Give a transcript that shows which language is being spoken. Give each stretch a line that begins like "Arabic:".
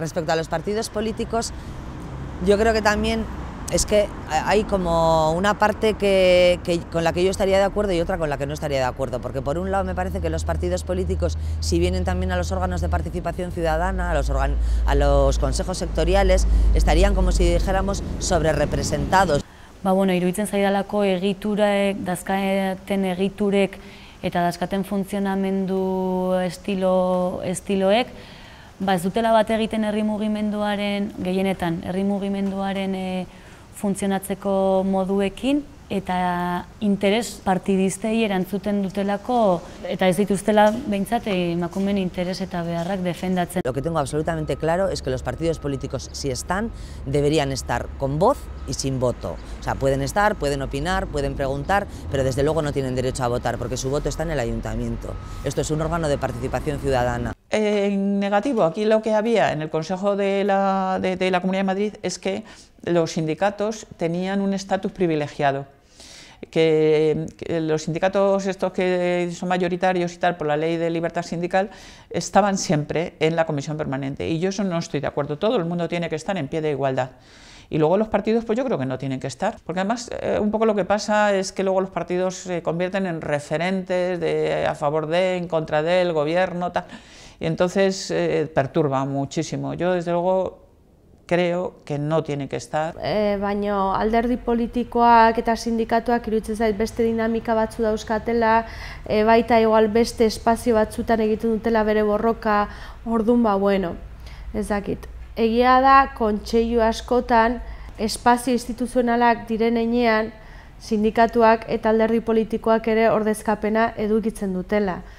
Spanish: Respecto a los partidos políticos, yo creo que también es que hay como una parte que con la que yo estaría de acuerdo y otra con la que no estaría de acuerdo, porque por un lado me parece que los partidos políticos, si vienen también a los órganos de participación ciudadana, a los consejos sectoriales, estarían como si dijéramos sobre representados.
Basque: Ba, bueno, iruditzen zaidalako egiturek, dazkaten egiturek eta dazkaten funtzionamendu estiloek, ba, ez dutela bat egiten herri mugimenduaren, gehienetan, herri mugimenduaren funtzionatzeko moduekin, eta interes partidistei erantzuten dutelako, eta ez dituztela behintzat emakumeen interes eta beharrak defendatzen.
Spanish: Lo que tengo absolutamente claro es que los partidos políticos, si están, deberían estar con voz y sin voto. O sea, pueden estar, pueden opinar, pueden preguntar, pero desde luego no tienen derecho a votar, porque su voto está en el ayuntamiento. Esto es un órgano de participación ciudadana. En negativo, aquí lo que había en el Consejo de la Comunidad de Madrid es que los sindicatos tenían un estatus privilegiado, que los sindicatos estos que son mayoritarios y tal por la ley de libertad sindical estaban siempre en la comisión permanente, y yo eso no estoy de acuerdo. Todo el mundo tiene que estar en pie de igualdad. Y luego los partidos, pues yo creo que no tienen que estar, porque además un poco lo que pasa es que luego los partidos se convierten en referentes de a favor de, en contra del gobierno, tal, y entonces perturba muchísimo. Yo desde luego creo que no tiene que estar.
Basque: Baina alderdi politikoak eta sindikatuak iruditzen zait beste dinamika batzu dauzkatela, baita igual beste espazio batzutan egiten dutela bere borroka, orduan ba, bueno, ez dakit. Egia da, kontseilu askotan, espazio instituzionalak diren heinean, sindikatuak eta alderdi politikoak ere ordezkapena edukitzen dutela.